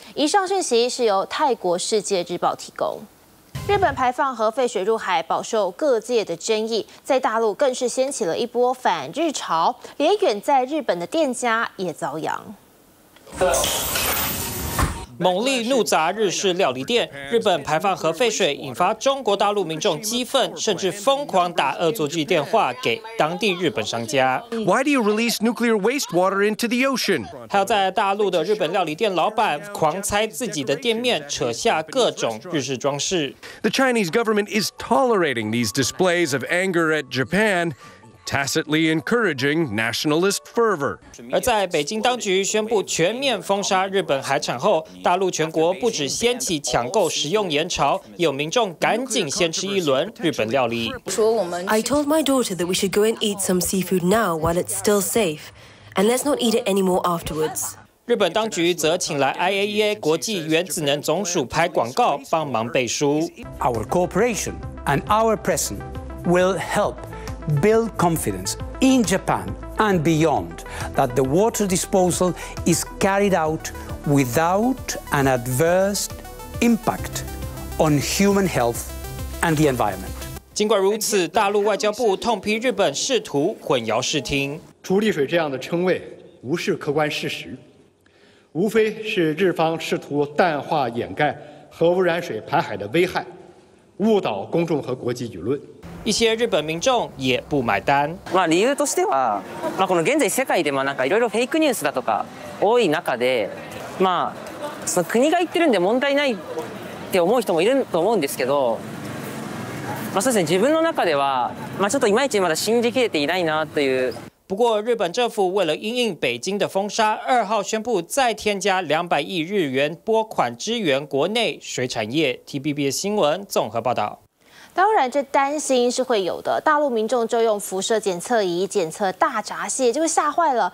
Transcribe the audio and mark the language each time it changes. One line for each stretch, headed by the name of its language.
Chinese: 以上讯息是由泰国世界日报提供。日本排放核废水入海饱受各界的争议，在大陆更是掀起了一波反日潮，连远在日本的店家也遭殃。猛力怒砸日式料理店，日本排放核废水引发中国大陆民众激愤，甚至疯狂打恶作剧电话给当地日本商家。
English: Why do you release nuclear wastewater into the ocean？
Chinese: 还有在大陆的日本料理店老板狂拆自己的店面，扯下各种日式装饰。
English: The Chinese government is tolerating these displays of anger at Japan。 Tacitly encouraging nationalist fervor.
Chinese: 而在北京当局宣布全面封杀日本海产后，大陆全国不止掀起抢购食用盐潮，有民众赶紧先吃一轮日本料理。
English: I told my daughter that we should go and eat some seafood now while it's still safe, and let's not eat it anymore afterwards.
Chinese: 日本当局则请来 IAEA 国际原子能总署拍广告帮忙背书。
English: Our cooperation and our presence will help. Build confidence in Japan and beyond that the water disposal is carried out without an adverse impact on human health and the environment.
Chinese: 尽管如此，大陆外交部痛批日本试图混淆视听。处理水这样的称谓无视客观事实，无非是日方试图淡化掩盖核污染水排海的危害，误导公众和国际舆论。一些日本民众也不买单。
Japanese: まあ理由としては、まあこの現在世界でもなんかいろいろフェイクニュースだとか多い中で、まあその国が言ってるんで問題ないって思う人もいると思うんですけど、まあそうですね自分の中では、まあちょっといまいちまだ信じきれていないなという。
Chinese: 不过日本政府为了因应北京的封杀，2号宣布再添加200亿日元拨款支援国内水产业。 TBB 新闻综合报道。当然，这担心是会有的。大陆民众就用辐射检测仪检测大闸蟹，就吓坏了。